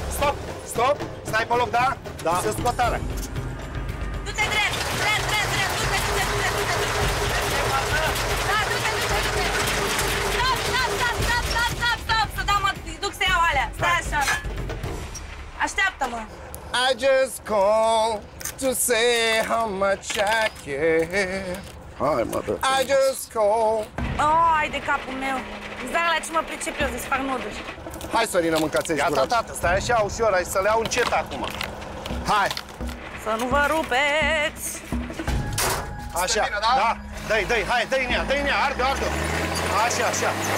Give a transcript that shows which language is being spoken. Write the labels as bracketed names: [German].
[Romanian] Stop, stop, stai pe loc, da? Da. Să scoat alea. Du-te drept, drept, drept, drept, du-te, du-te, du-te, du-te, du-te. Da, du-te, du-te, du-te. Stop, stop, stop, stop, stop, stop, stop, să dau, mă, duc să iau alea. Stai așa. Așteaptă-mă. [English] I just call to say how much I care. [Romanian] Hai, mădă. [English] I just call. [Romanian] Ai, de capul meu. Zara, la ce mă pricep eu să-ți fac noduri? Hai, Sorina, mâncați-ți gura. Gata, tata, stai așa ușor, hai să le iau încet acum. Hai. Să nu vă rupeți. Așa, bine, da? Da. Dă-i, dă-i, hai, dă-i în ea, dă-i în ea, arde-o, arde-o. Așa, așa.